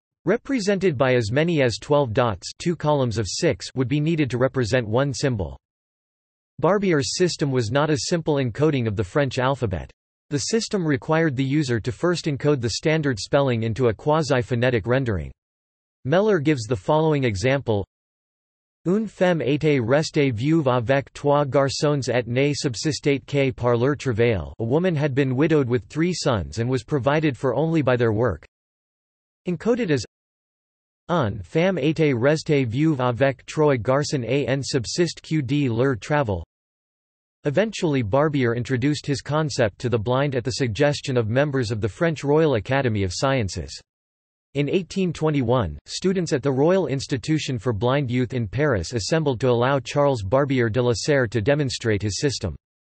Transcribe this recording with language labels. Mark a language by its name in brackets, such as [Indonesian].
[English] represented by as many as 12 dots, two columns of 6 would be needed to represent one symbol. Barbier's system was not a simple encoding of the French alphabet. The system required the user to first encode the standard spelling into a quasi-phonetic rendering. Meller gives the following example. [French] Une femme était restée veuve avec trois garçons et ne subsistait que par leur travail. [English] A woman had been widowed with three sons and was provided for only by their work. Encoded as [French] Une femme était restée veuve avec trois garçons et ne subsiste que de leur travail. [English] Eventually Barbier introduced his concept to the blind at the suggestion of members of the French Royal Academy of Sciences. In 1821, students at the Royal Institution for Blind Youth in Paris assembled to allow Charles Barbier de la Serre to demonstrate his system.